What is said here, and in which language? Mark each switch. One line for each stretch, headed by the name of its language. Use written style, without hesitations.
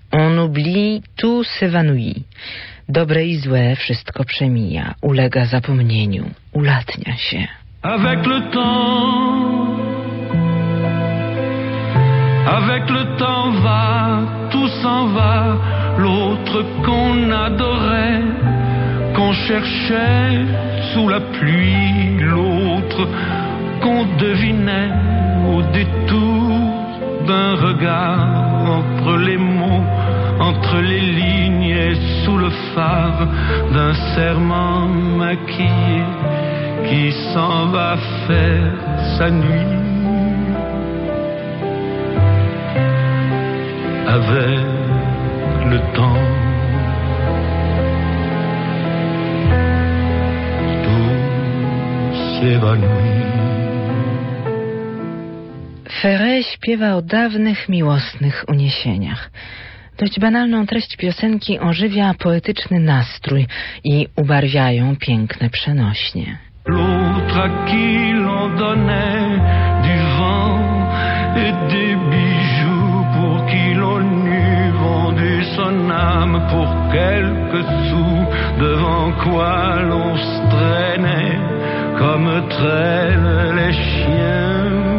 French: On oublie, tout s'évanouit.
Polish: Dobre i złe, wszystko przemija, ulega zapomnieniu, ulatnia się.
French: Avec le temps, avec le temps va, tout s'en va, l'autre qu'on adorait, qu'on cherchait sous la pluie, l'autre qu'on devinait au détour d'un regard entre les mots, entre les lignes et sous le phare d'un serment maquillé qui s'en va faire sa nuit. Avec le temps, tout s'évanouit.
Polish: Ferré śpiewa o dawnych, miłosnych uniesieniach. Dość banalną treść piosenki ożywia poetyczny nastrój i ubarwiają piękne przenośnie.
French: L'autre à qui l'on donnait du vent et des bijoux pour qui l'on eût vendu son âme pour quelques sous devant quoi l'on se traînait comme traînent les chiens.